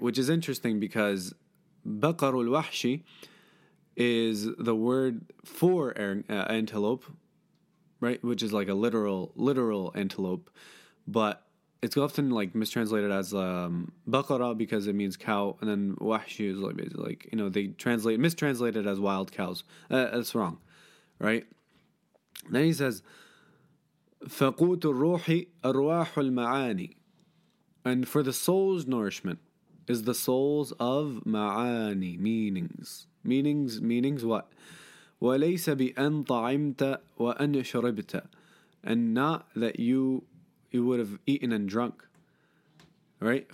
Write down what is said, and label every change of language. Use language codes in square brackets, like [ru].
[en] Which is interesting because [ar] بقر الوحش [en] is the word for antelope, right? Which is like a literal antelope. But it's often like mistranslated as بقرة because it means cow. And then وحش is like, you know, they mistranslate it as wild cows. That's wrong, right? Then he says, [ar] فقوت الروح أرواح المعاني. [en] And for the soul's nourishment is the souls of ma'ani, meanings what? [ar] وليس بأن طعمت وأن شربت. [en] And not that you would have eaten and drunk. Right?